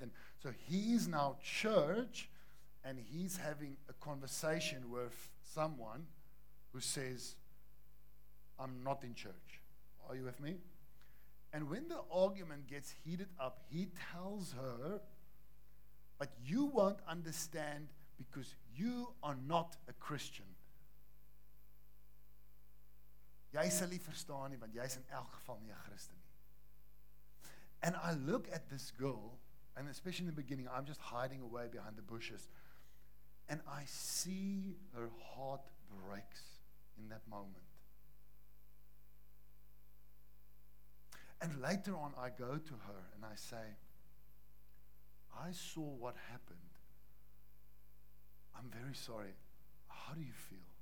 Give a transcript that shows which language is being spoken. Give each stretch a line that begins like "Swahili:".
English: And so he's now church, and he's having a conversation with someone who says, I'm not in church. Are you with me? And when the argument gets heated up, he tells her, but you won't understand because you are not a Christian.
Afrikaans: Jy sal nie verstaan nie, want jy is in elk geval nie 'n Christen nie.
English: And I look at this girl, and especially in the beginning, I'm just hiding away behind the bushes, and I see her heart breaks in that moment. And later on, I go to her and I say, I saw what happened. I'm very sorry. How do you feel?